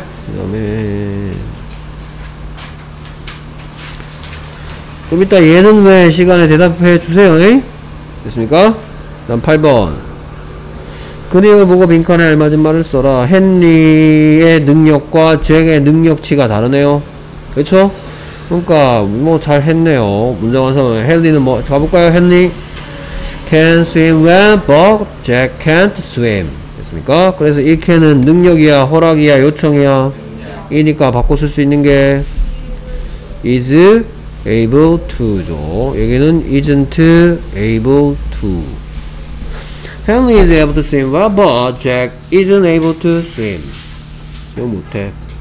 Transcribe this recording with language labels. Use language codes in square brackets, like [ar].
[ko] 그 다음에 좀 이따 얘는 왜 시간에 대답해 주세요. 에이? 됐습니까? 그 다음 8번. 그림을 보고 빈칸에 알맞은 말을 써라. 헨리의 능력과 잭의 능력치가 다르네요. 그렇죠? 그러니까 뭐 잘 했네요. 문장 완성. 헨리는 뭐 가볼까요? [en] 헨리 can swim well, but Jack can't swim. [ko] 됐습니까? 그래서 이 can은 능력이야, 허락이야, 요청이야. 이니까 바꿔 쓸 수 있는 게 is able to죠. [en] 여기는 isn't able to. Henry is able to swim well, but Jack isn't able to swim. [ko] 이거 못해.